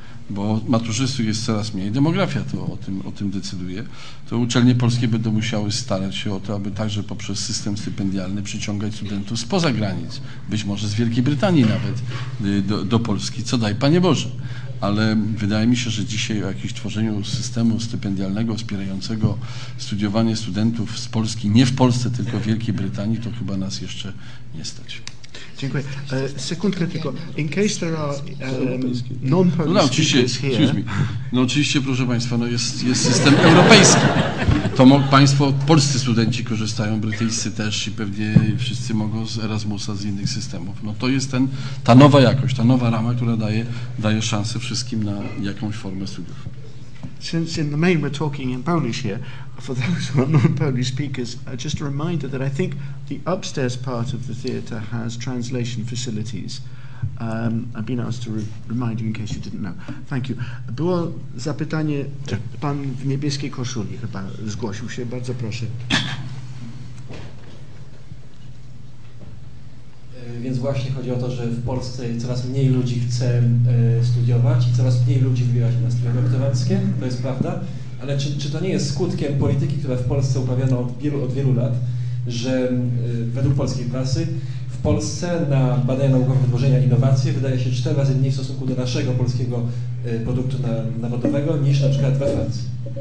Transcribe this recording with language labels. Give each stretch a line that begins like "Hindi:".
Polish: Bo maturzystów jest coraz mniej, demografia to o tym decyduje, to uczelnie polskie będą musiały starać się o to, aby także poprzez system stypendialny przyciągać studentów spoza granic, być może z Wielkiej Brytanii nawet do Polski, co daj Panie Boże. Ale wydaje mi się, że dzisiaj o jakimś tworzeniu systemu stypendialnego wspierającego studiowanie studentów z Polski, nie w Polsce, tylko w Wielkiej Brytanii, to chyba nas jeszcze nie stać. Dziękuję. Sekundkę tylko.
English: In case there are non-Polish speakers here. Excuse me.
Polish: No oczywiście, proszę Państwa, no jest system europejski. To Państwo, polscy studenci korzystają, brytyjscy też i pewnie wszyscy mogą z Erasmusa, z innych systemów. No to jest ta nowa jakość, ta nowa rama, która daje szansę wszystkim na jakąś formę studiów.
English: Since in the main we're talking in Polish here, for those who are non-Polish speakers, just a reminder that I think the upstairs part of the theatre has translation facilities. I've been asked to remind you in case you didn't know. Thank you.
Polish: Było zapytanie, pan w niebieskiej koszuli chyba zgłosił się, bardzo proszę. Więc właśnie chodzi o to, że w Polsce coraz mniej ludzi chce studiować i coraz mniej ludzi wybiera się na studia doktoranckie, to jest prawda, ale czy to nie jest skutkiem polityki, która w Polsce uprawiano od wielu lat, że według polskiej prasy w Polsce na badania naukowe, wytworzenia, innowacje wydaje się 4 razy mniej w stosunku do naszego polskiego produktu narodowego niż na przykład we Francji?